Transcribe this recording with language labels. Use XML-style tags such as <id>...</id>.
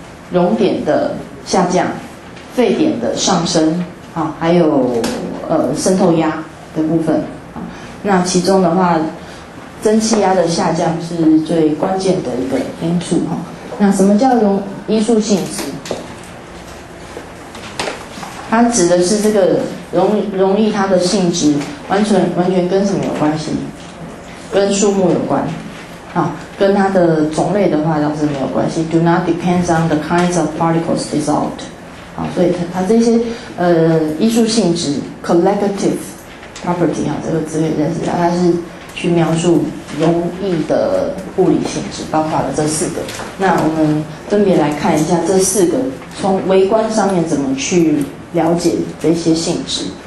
<zh>熔点的下降，沸点的上升，啊，还有渗透压的部分，啊，那其中的话，蒸汽压的下降是最关键的一个因素，啊，那什么叫溶依素性质？它指的是这个溶液它的性质完全跟什么有关系？跟数目有关，啊。跟它的种类的话倒是没有关系 ，</zh> <en>do not depends on the kinds of particles dissolved。</en> <zh>好，所以它这些依素性质 collective property 啊，这个字可以认识啊，它是去描述溶液的物理性质，包括了这四个。那我们分别来看一下这四个，从微观上面怎么去了解这些性质。</zh>